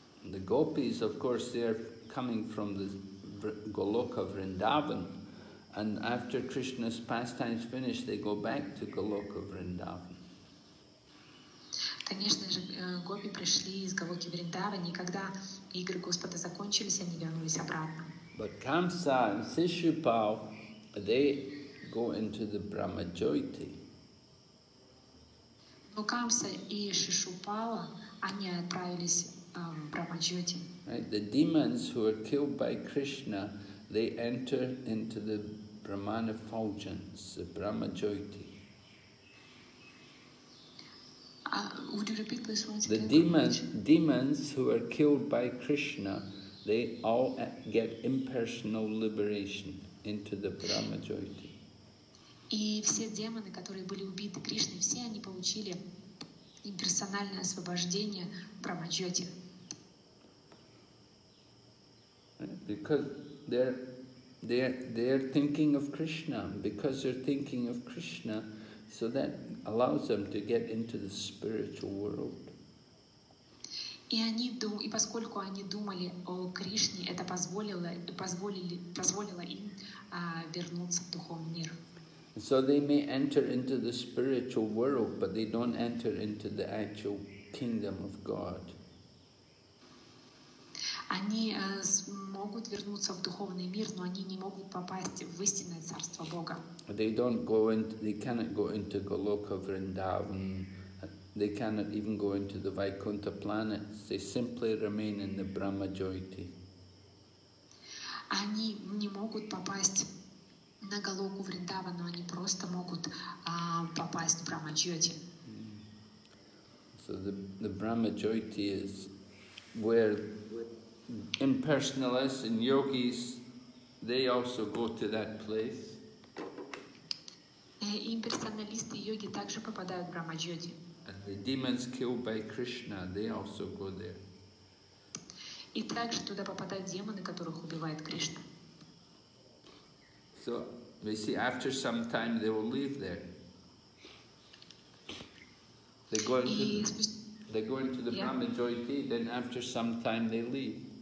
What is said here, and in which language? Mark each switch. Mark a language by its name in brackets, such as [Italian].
[English] The gopis, of course, they are coming from the Goloka Vrindavan. And after Krishna's pastimes finish, they go back to Goloka Vrindavan. [Russian] Конечно же, гопи пришли из Голоки Вриндаван, и когда игры Господа закончились, они вернулись обратно. [English] But Kamsa and Shishupal, they go into the Brahma Jyoti. [Russian] Но Камса и Шишупала, они отправились в Брахма Джоти. [English] Right? The demons who are killed by Krishna, they enter into the Brahman effulgence, the Brahma Jyoti. would you repeat please once again? The demons who were killed by Krishna, they all get impersonal liberation into the Brahma Jyoti. [Russian] И все демоны, которые были убиты Кришной, все они получили имперсональное освобождение в Брахма Джоти. [English] Because they're thinking of Krishna, because they're thinking of Krishna, so that allows them to get into the spiritual world. [Russian] И поскольку они думали о Кришне, это позволило им вернуться в духовный мир. [English] So they may enter into the spiritual world, but they don't enter into the actual kingdom of God. [Russian] Они могут вернуться в духовный мир, но они не могут попасть в истинное царство Бога. [English] They don't go into, they cannot go into Goloka Vrindavan. They cannot even go into the Vaikuntha planets. They simply remain in the Brahma Jyoti. [Russian] Они не могут попасть на Голоку Вриндаван, но они просто могут попасть в Брахма Джоти. [English] So the Brahma Jyoti is where impersonalists and yogis, they also go to that place. [Russian] Имперсоналисты и йоги также попадают в Брахма Джоти. [English] And the demons killed by Krishna, they also go there. [Russian] И также туда попадают демоны, которых убивает Кришна. [English] So, we see after some time they will leave there. They go into the Brahma Jyoti, then after some time they leave.